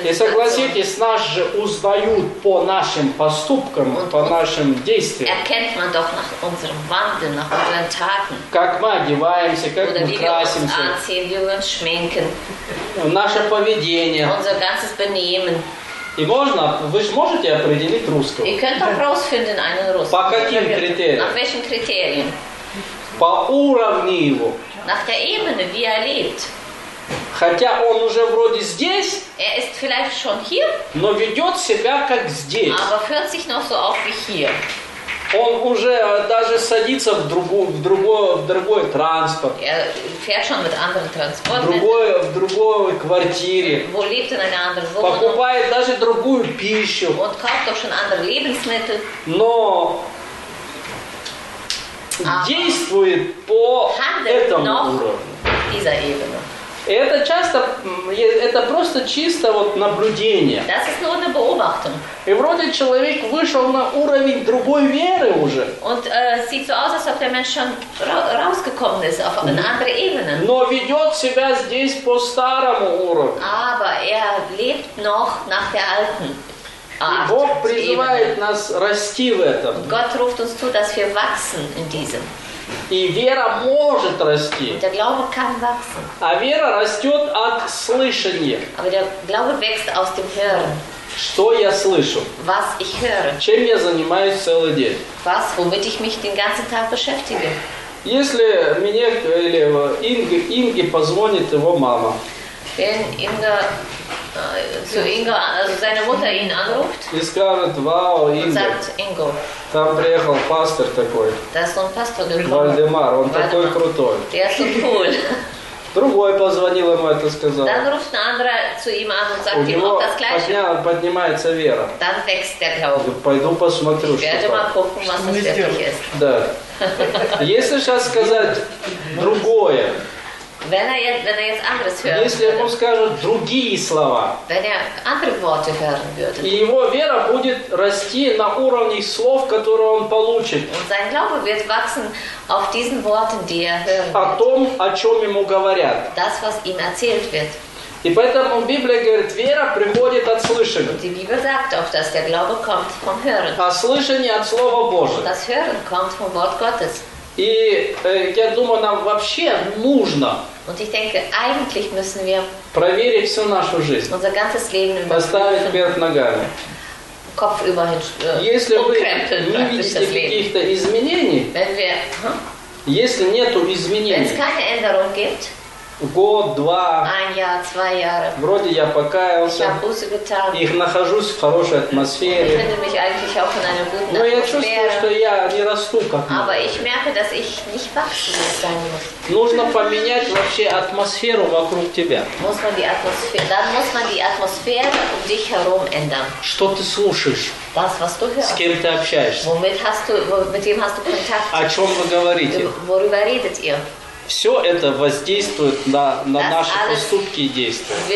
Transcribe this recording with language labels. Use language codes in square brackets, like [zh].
[de] Situationen. [ru] И согласитесь, нас же узнают по нашим поступкам, [de] Und [ru] по нашим действиям. [de] Erkennt man doch nach unserem Wandel, nach unseren Taten. [ru] Как мы одеваемся, как [de] Oder [ru] мы красимся. [de] Wie wir uns anziehen, wie wir uns schminken. [ru] Наше поведение. [de] Unser ganzes Benehmen. [ru] И можно, вы же можете определить русского? [de] И könnt auch rausfinden einen Russen. [ru] По каким критериям? [de] Nach welchen Kriterien? [ru] По уровню его. [de] Nach der Ebene, wie lebt. [ru] Хотя он уже вроде здесь. [de] Er ist vielleicht schon hier. [ru] Но ведет себя как здесь. [de] Aber führt sich noch so auf wie hier. [ru] Он уже даже садится в другой транспорт. [de] Er fährt schon mit anderen Transporten. [ru] В другой квартире. [de] Wo lebt in einer anderen Wohnung. [ru] Покупает даже другую пищу. [de] Und kauft auch schon andere Lebensmittel. [ru] Но действует по этому уровню. [de] Dieser Ebene. [ru] Это часто, это просто чисто вот наблюдение. [de] Das ist nur eine Beobachtung. [ru] И вроде человек вышел на уровень другой веры уже. [de] Und sieht so aus, als ob der Mensch schon rausgekommen ist auf eine andere Ebene. [ru] Но ведет себя здесь по старому уровню. [de] Aber er lebt noch nach der alten Art. [ru] И Бог призывает нас расти в этом. [de] Und Gott ruft uns zu, dass wir wachsen in diesem. [ru] И вера может расти. [de] Der Glaube kann wachsen. [ru] А вера растет от слышания. [de] Aber der Glaube wächst aus dem Hören. [ru] Что я слышу? [de] Was ich höre. [ru] Чем я занимаюсь целый день? [de] Was, womit ich mich den ganzen Tag beschäftige. [ru] Если мне или Инге позвонит его мама. [de] Wenn Inga zu Inga, also seine Mutter ihn anruft. [ru] И скажет, вау, Инга. [de] Sagt Ingo. [ru] Там приехал пастор такой. [de] Da ist so ein Pastor gekommen. [ru] Вальдемар, он такой крутой. [de] Der ist so cool. [ru] Другой позвонил ему это сказал. [de] Dann ruft ein anderer zu ihm an und sagt ihm auch das gleiche. [ru] У него поднимается вера. [de] Dann wächst der Glaube. [ru] Пойду посмотрю, что там. [de] Ich werde mal gucken, was das wirklich ist. [ru] Да. Если сейчас сказать другое. [de] Wenn er jetzt anderes hören würde. [ru] Если ему скажут другие слова. [de] Wenn er andere Worte hören würde. [ru] И его вера будет расти на уровне слов, которые он получит. [de] Und sein Glaube wird wachsen auf diesen Worten, die er hören wird. [ru] О том, о чем ему говорят. [de] Das, was ihm erzählt wird. [ru] И поэтому Библия говорит, вера приходит от слышания. [de] Die Bibel sagt auch, dass der Glaube kommt vom Hören. [ru] А слышание от Слова Божьего. [de] Das Hören kommt vom Wort Gottes. [ru] И я думаю, нам вообще нужно [de] und ich denke, eigentlich müssen wir [ru] проверить всю нашу жизнь, [de] unser ganzes Leben [ru] поставить вверх ногами. [de] Kopf über den [ru] если вы не видите каких-то изменений, если нету изменений, [de] wenn es keine Änderung gibt, [ru] год, два, [de] ein Jahr, zwei Jahre, [ru] вроде я покаялся, [de] ich habe Buße getan, [ru] их нахожусь в хорошей атмосфере, [de] ich finde mich eigentlich auch in einer guten [ru] Atmosphäre, но я чувствую, что я не расту, как надо. [de] Aber ich merke, dass ich nicht wachsen sein muss. [ru] Нужно поменять вообще атмосферу вокруг тебя. [de] Muss man die Atmosphäre, dann muss man die Atmosphäre um dich herum ändern. [ru] Что ты слушаешь? [de] Das, was du hörst. [ru] С кем ты общаешься? [de] Womit hast du, mit wem hast du Kontakt? [ru] О чем вы говорите? [de] Worüber redet ihr? [ru] Все это воздействует на наши поступки и действия.